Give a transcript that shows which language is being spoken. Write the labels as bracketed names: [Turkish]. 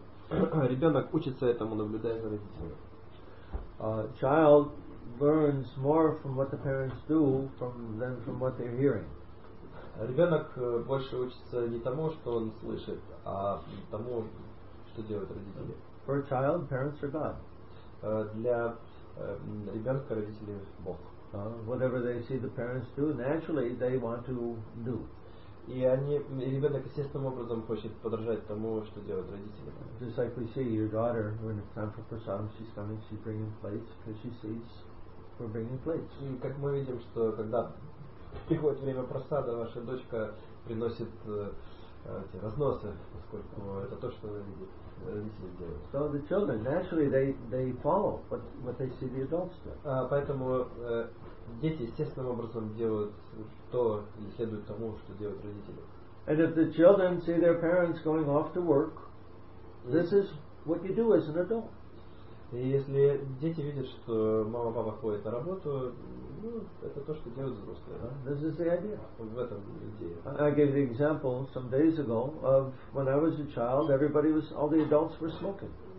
[Russian] Ребенок учится этому, наблюдая за родителями. [English] Child learns more from what the parents do than from what they're hearing. [Russian] Ребенок больше учится не тому, что он слышит, а тому, что делают родители. [English] For a child, parents are God. [Russian] Для ребенка родители Бог. [English] whatever they see the parents do, naturally they want to do. [Russian] И они, ребенок естественным образом хочет подражать тому, что делают родители. [English] Just like we see your daughter, when it's time for prasadam, she's coming, she's bringing plates, because she sees we're bringing plates. [Russian] И как мы видим, что когда приходит время просада, ваша дочка приносит эти разносы, поскольку это то, что родители делают. [English] So the children, naturally, they follow what they see the adults do. [Russian] Поэтому дети естественным образом делают то или следуют тому, что делают родители. [English] And if the children see their parents going off to work, this is what you do as an adult. [Russian] И если дети видят, что мама и папа ходят на работу, ну, это то, что делают взрослые. [English] This is the idea. [Russian] В этом идея. [English] I gave the example some days ago of when I was a child, everybody was, all the adults were smoking.